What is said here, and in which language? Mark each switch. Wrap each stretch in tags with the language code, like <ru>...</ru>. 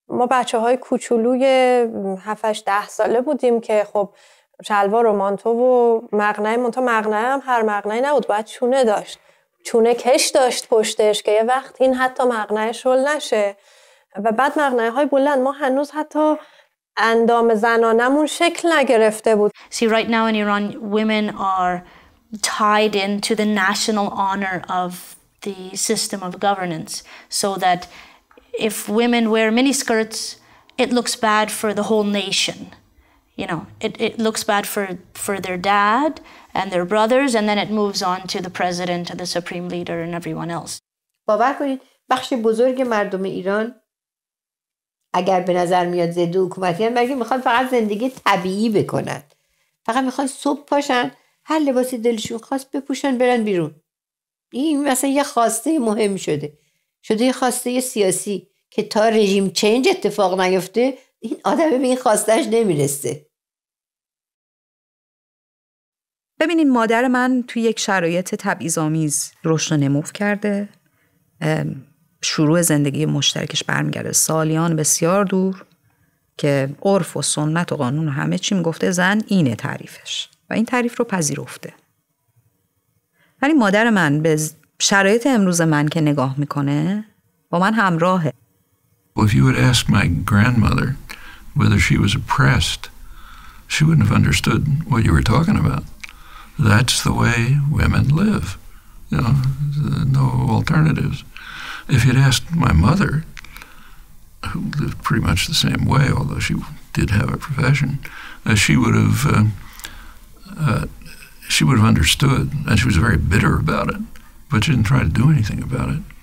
<fa>ما بچه های کوچولوی 7-8-10 ساله بودیم که خب شلوار و مانتو و مقنعه، مانتو مقنعه هم هر مقنعه نبود، باید چونه داشت، چونه کش داشت پشتش که یه وقت این حتی مقنعه شل نشه، و بعد مقنعه های بلند. ما هنوز حتی اندام زنانمون شکل نگرفته بود.</fa> <en>See, right now in Iran, women are tied into the national honor of the system of governance, so that if women wear miniskirts, it looks bad for the whole nation. You know, it looks bad for their dad and their brothers, and then it moves on to the president and the supreme leader and everyone else.</en> <fa>باور کنید بخش بزرگ مردم ایران اگر به نظر میاد زده حکومتی هم، بلکه میخوان فقط زندگی طبیعی بکنن، فقط میخوان صبح پاشن هر لباسی دلشون خواست بپوشن برن بیرون. این مثلا یه خواسته مهم شده یه خواسته سیاسی که تا</fa> <en>رژیم چینج</en> <fa>اتفاق نیفته این آدمه به این خواستهش نمیرسه. ببینین، مادر من توی یک شرایط تبعیض‌آمیز رشد و نمو کرده، شروع زندگی مشترکش برمیگرده سالیان بسیار دور که عرف و سنت و قانون و همه چی میگفته زن اینه تعریفش و این تعریف رو پذیرفته. ولی مادر من به شرایط امروز من که نگاه میکنه با من همراهه.</fa> <en>Well, if you would ask my grandmother whether she was oppressed, she wouldn't have understood what you were talking about. That's the way women live. You know, no alternatives. If you'd asked my mother, who lived pretty much the same way, although she did have a profession, she would have understood, and she was very bitter about it, but she didn't try to do anything about it.</en>